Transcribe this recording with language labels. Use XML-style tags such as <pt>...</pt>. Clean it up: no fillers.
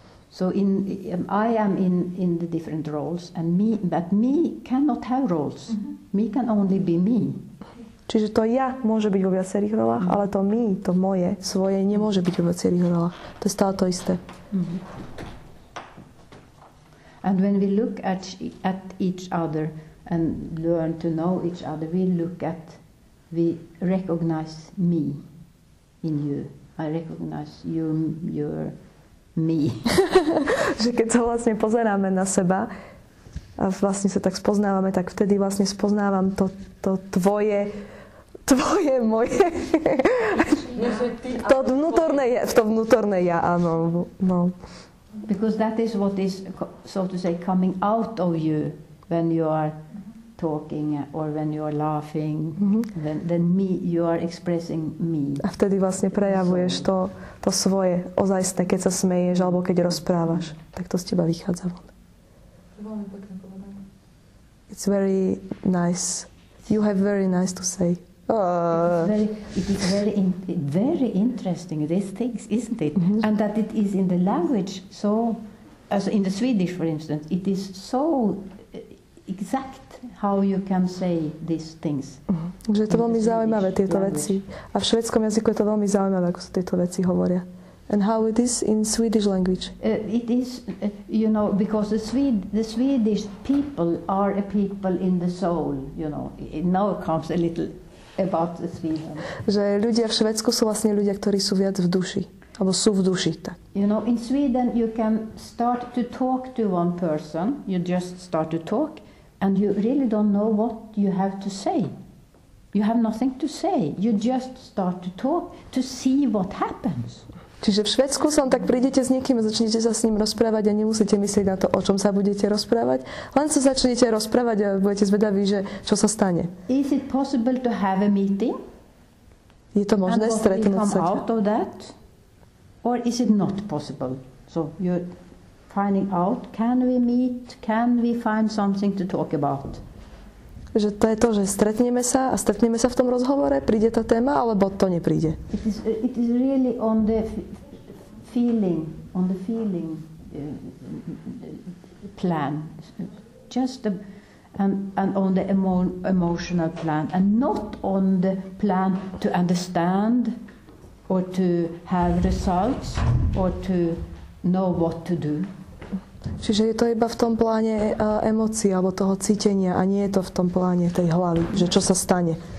<en>So in I am in the different roles and me, but me cannot have roles. Mm-hmm. Me can only be me.</en> <sk>Čiže to ja môže byť vo viacerých rolách, ale to my, to moje, svoje, nemôže byť vo viacerých rolách. To je stále to isté. Mm-hmm.</sk> <en>And when we look at each other and learn to know each other, we recognize me in you. I recognize your me.</en> <sk>Že keď sa vlastne pozeráme na seba a vlastne sa tak spoznávame, tak vtedy vlastne spoznávam to tvoje... Tvoje, moje. To vnútorné je, to vnútorné ja, áno. No.</sk> <en>Because that is what is, so to say, coming out of you when you are talking or when you are laughing. Mm-hmm. Then me, you are expressing me. A vtedy vlastne prejavuješ to svoje, ozajstné, keď sa smeješ alebo keď rozprávaš. Tak to z teba vychádza von. It's very nice. You have very nice to say. It is very interesting these things, isn't it? Mm-hmm. And that it is in the language, so as in the Swedish, for instance, it is so exact how you can say these things.</en> <sk>Takže to veľmi zaujímavé tieto veci. A v švédskom jazyku je to veľmi zaujímavé, ako sa tieto veci hovoria.</sk> <en>And how it is in Swedish language? It is, you know, because the Swedish people are a people in the soul, you know. It now comes a little about the Sweden.</en> <sk>Že ľudia v Švédsku sú vlastne ľudia, ktorí sú viac v duši, alebo sú v duši, tak.</sk> <en>You know, in Sweden you can start to talk to one person, you just start to talk and you really don't know what you have to say. You have nothing to say. You just start to talk to see what happens.</en> <sk>Čiže v Švédsku som tak prídete s niekým a začnete sa s ním rozprávať a nemusíte myslieť na to, o čom sa budete rozprávať. Len sa začnete rozprávať a budete zvedaví, že čo sa stane.</sk> <en>Is it possible to have a meeting?</en> <sk>Je to možné stretnúť sa?</sk> <en>And out of that? Or is it not possible? So you're finding out, can we meet? Can we find something to talk about?</en> <sk>Že to je to, že stretneme sa a stretneme sa v tom rozhovore, príde tá téma alebo to nepríde.</sk> <en>It is really on the feeling, on the feeling plan, just the, and on the emotional plan and not on the plan to understand or to have results or to know what to do.</en> <sk>Čiže je to iba v tom pláne emócií alebo toho cítenia a nie je to v tom pláne tej hlavy, že čo sa stane.</sk>